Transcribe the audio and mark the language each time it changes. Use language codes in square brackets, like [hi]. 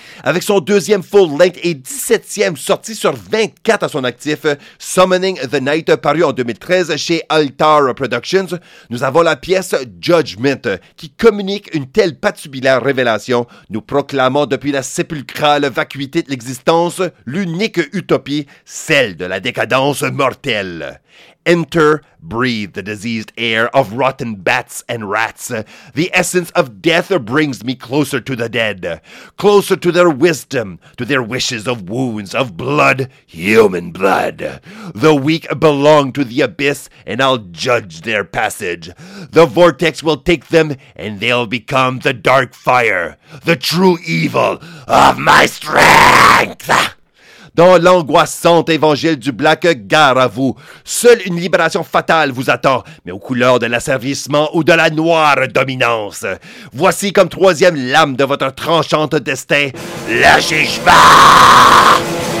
[fr] Avec son deuxième full-length et 17e sortie sur 24 à son actif, Summoning the Night, paru en 2013 chez Altar Productions, nous avons la pièce Judgment qui communique une telle patibulaire révélation, nous proclamant depuis la sépulcrale vacuité de l'existence l'unique utopie, celle de la décadence mortelle. [en] Enter, breathe the diseased air of rotten bats and rats. The essence of death brings me closer to the dead, closer to their wisdom, to their wishes of wounds, of blood, human blood. The weak belong to the abyss, and I'll judge their passage. The vortex will take them, and they'll become the dark fire, the true evil of my strength! [fr] Dans l'angoissante évangile du Black, gare à vous. Seule une libération fatale vous attend, mais aux couleurs de l'asservissement ou de la noire dominance. Voici comme troisième lame de votre tranchante destin, le jugement!